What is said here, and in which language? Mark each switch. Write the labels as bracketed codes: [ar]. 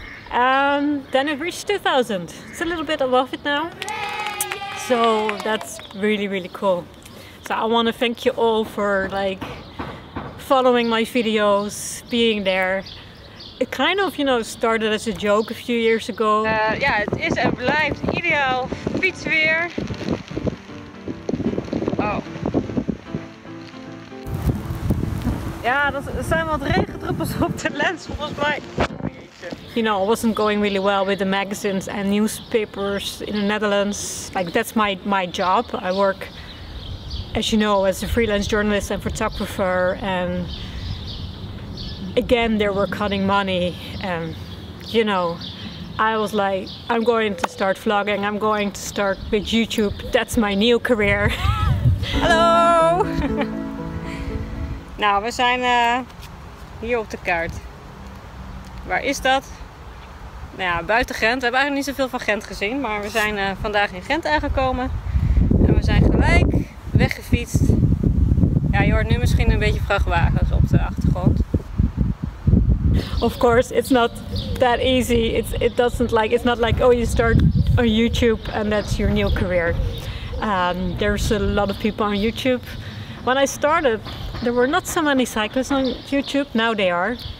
[en] Then it reached 2,000. It's a little bit above it now. So that's really, really cool. So I want to thank you all for like following my videos, being there. It kind of, you know, started as a joke a few years ago. Yeah, it is a [nl] blijft ideaal fietsweer. [en] Oh. [nl] Ja, er zijn wat regendruppels op de lens volgens mij. [en] You know, it wasn't going really well with the magazines and newspapers in the Netherlands. Like, that's my job. I work, as you know, as a freelance journalist and photographer, and again, they were cutting money, and you know, I was like, I'm going to start vlogging, I'm going to start with YouTube, that's my new career. Hello! [nl] Nou, we zijn hier op de kaart. Waar is dat? Nou ja, buiten Gent. We hebben eigenlijk niet zoveel van Gent gezien, maar we zijn vandaag in Gent aangekomen. En we zijn gelijk weggefietst. Ja, je hoort nu misschien een beetje vrachtwagens op de achtergrond. [en] Of course, it's not that easy. It's not like, oh, you start on YouTube and that's your new career. There's a lot of people on YouTube. When I started, there were not so many cyclists on YouTube. Now they are.